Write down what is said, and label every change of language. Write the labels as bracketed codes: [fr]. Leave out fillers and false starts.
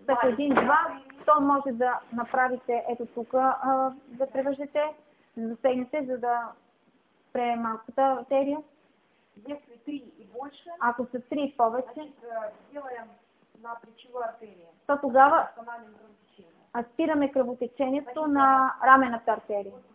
[bg] ако един-два, то може да направите ето тук, да превържете, да засегнете, за да прее малката артерия. [ru] Если три и больше, [bg] ако са три и повече, [ru] значит, делаем на плечевую артерию, [bg] то тогава спираме кръвотечението на рамената артерия.